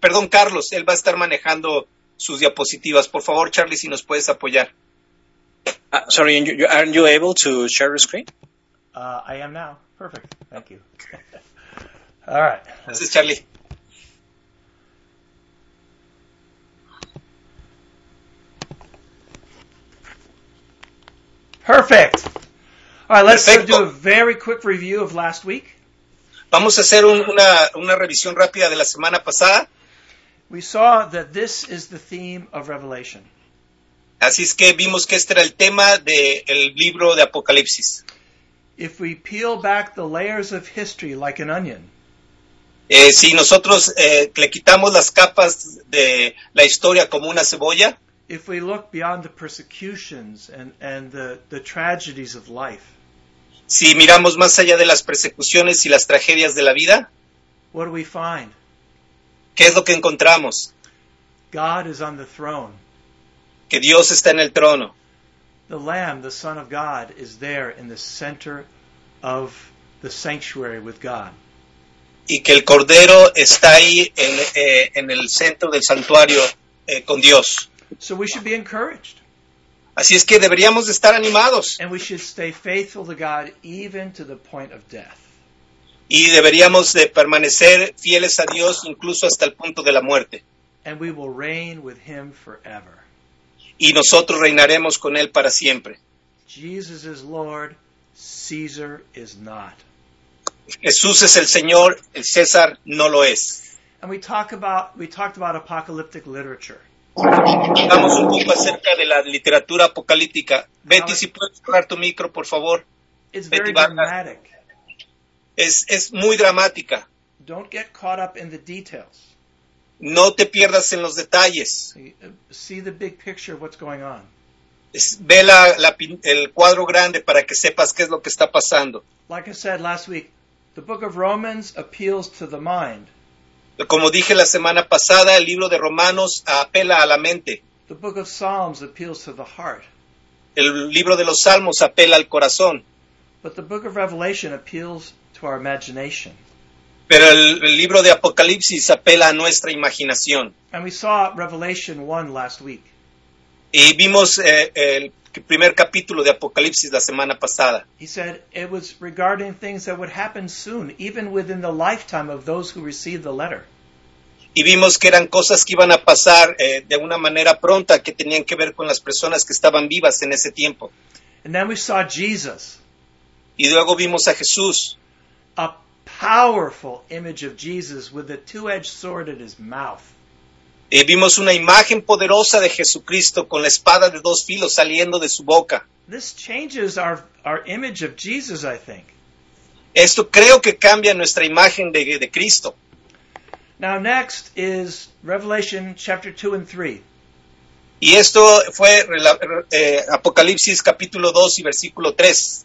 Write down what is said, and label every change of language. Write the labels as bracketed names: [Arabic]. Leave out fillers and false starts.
[Spanish] Carlos, él va a estar manejando sus diapositivas. Por favor, Charlie, si nos puedes apoyar. [English] Sorry, aren't you able to share your screen? I am now. Perfect. Thank you. All right. This is Charlie. Perfect. All right, let's do a very quick review of last week. [Spanish] Vamos a hacer una revisión rápida de la semana pasada. [English] We saw that this is the theme of Revelation. [Spanish] Así es que vimos que este era el tema del libro de Apocalipsis. [English] If we peel back the layers of history like an onion. [Spanish] Si nosotros le quitamos las capas de la historia como una cebolla. [English] If we look beyond the persecutions and the tragedies of life. [Spanish] Si miramos más allá de las persecuciones y las tragedias de la vida, [English] what do we find? [Spanish] ¿Qué es lo que encontramos? [English] God is on the throne. [Spanish] Que Dios está en el trono. [English] The Lamb, the Son of God, is there in the center of the sanctuary with God. [Spanish] Y que el Cordero está ahí en el centro del santuario con Dios. [English] So we should be encouraged. [Spanish] Así es que deberíamos de estar animados. [English] And we should stay faithful to God even to the point of death. [Spanish] Y deberíamos de permanecer fieles a Dios incluso hasta el punto de la muerte. [English] And we will reign with him forever. [Spanish] Y nosotros reinaremos con él para siempre. [English] Jesus is Lord, Caesar is not. [Spanish] Jesús es el Señor, el César no lo es. [English] And we talked about apocalyptic literature. [Spanish] Hablamos un poco acerca de la literatura apocalíptica. Betty, si puedes cerrar tu micro, por favor. [English] It's very dramatic. [Spanish] Es muy dramática. [English] Don't get caught up in the details. [Spanish] No te pierdas en los detalles. [English] See the big picture of what's going on. [Spanish] Ve el cuadro grande para que sepas qué es lo que está pasando. [English] Like I said last week, the book of Romans appeals to the mind. [Spanish] Como dije la semana pasada, el libro de Romanos apela a la mente. [English] The book of Psalms appeals to the heart. [Spanish] El libro de los Salmos apela al corazón. [English] But the book of Revelation appeals to our imagination. [Spanish] Pero el libro de Apocalipsis apela a nuestra imaginación. [English] And we saw Revelation 1 last week. [Spanish] Y vimos el primer capítulo de Apocalipsis la semana pasada. [English] He said it was regarding things that would happen soon, even within the lifetime of those who received the letter. [Spanish] Y vimos que eran cosas que iban a pasar de una manera pronta, que tenían que ver con las personas que estaban vivas en ese tiempo. [English] And then we saw Jesus. [Spanish] Y luego vimos a Jesús. [English] A powerful image of Jesus with a two-edged sword in his mouth. [Spanish] Y vimos una imagen poderosa de Jesucristo con la espada de dos filos saliendo de su boca. [English] This changes our image of Jesus, I think. [Spanish] Esto creo que cambia nuestra imagen de Cristo. [English] Now next is Revelation chapter 2 and 3. [Spanish] Y esto fue Apocalipsis capítulo 2 y versículo 3.